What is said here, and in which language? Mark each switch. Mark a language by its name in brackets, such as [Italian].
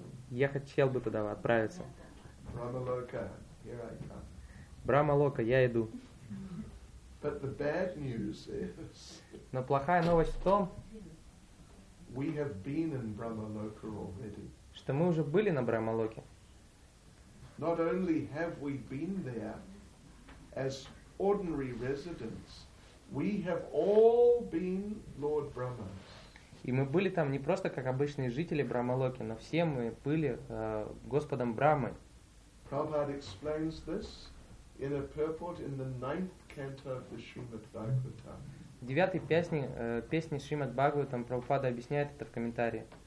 [Russian] Я хотел бы туда отправиться. [English] Брахмалока, here I come. [Russian] Брахмалока, я иду. [English] But the bad news is, [Russian] но плохая новость в том, [English] we have been in Brahmaloka already. [Russian] Что мы уже были на Брахмалоке. [English] Not only have we been there as ordinary residents, we have all been Lord Brahmas. [Russian] И мы были там не просто как обычные жители Брахмалоки, но все мы были Господом Брахмой. [English] Prabhupada explains this in a purport in the ninth canto of the Srimad Bhagavatam. [Russian] В девятой песне, песни Шримад Бхагаватам Прабхупада объясняет это в комментарии.